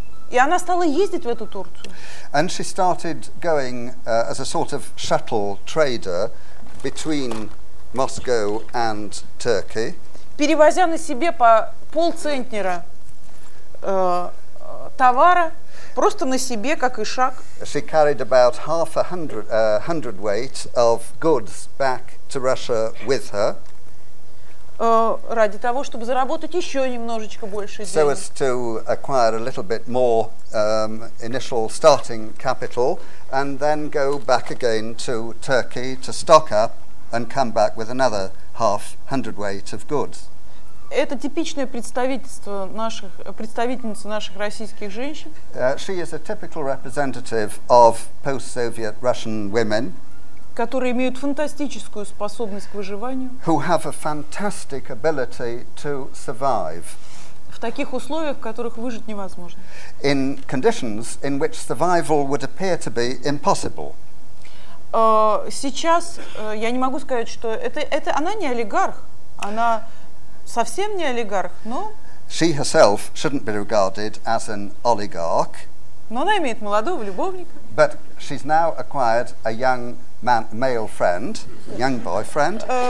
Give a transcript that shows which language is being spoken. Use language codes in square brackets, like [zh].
[ru] И она стала ездить в эту Турцию. [en] And she started going as a sort of shuttle trader between Moscow and Turkey. [ru] Перевозя на себе по полцентнера товара, просто на себе, как ишак. [en] She carried about half a hundredweight of goods back to Russia with her. [ru] Ради того, чтобы заработать еще немножечко больше денег. [en] So as to acquire a little bit more initial starting capital and then go back again to Turkey to stock up and come back with another half hundredweight of goods. [ru] Это типичное представительство наших, представительницы наших российских женщин. [en] She is a typical representative of post-Soviet Russian women. [ru] Которые имеют фантастическую способность к выживанию. [en] Who have a fantastic ability to survive. [ru] В таких условиях, в которых выжить невозможно. [en] In conditions in which survival would appear to be impossible. [ru] Сейчас я не могу сказать, что это она не олигарх, она совсем не олигарх, но. [en] She herself shouldn't be regarded as an oligarch. [ru] Но она имеет молодого любовника. [en] But she's now acquired a young man, male friend, young boyfriend.